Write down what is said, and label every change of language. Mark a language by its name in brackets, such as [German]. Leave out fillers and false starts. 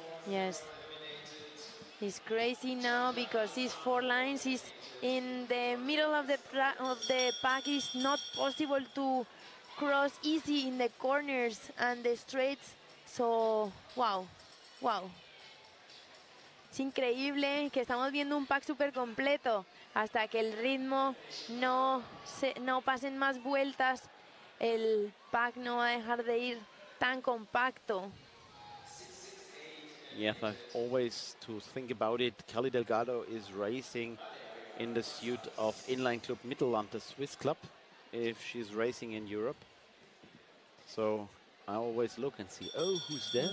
[English] Yes. It's crazy now because these four lines is in the middle of the pack. It's not possible to cross easy in the corners and the straights. So, wow. [Spanish] Es increíble que estamos viendo un pack super completo hasta que el ritmo no pasen más vueltas. El pack no va a dejar de ir tan compacto. [English] Yes, I always to think about it. Kelly Delgado is racing in the suit of Inline Club Mittelland, the Swiss club, if she's racing in Europe. So I always look and see, oh, who's there?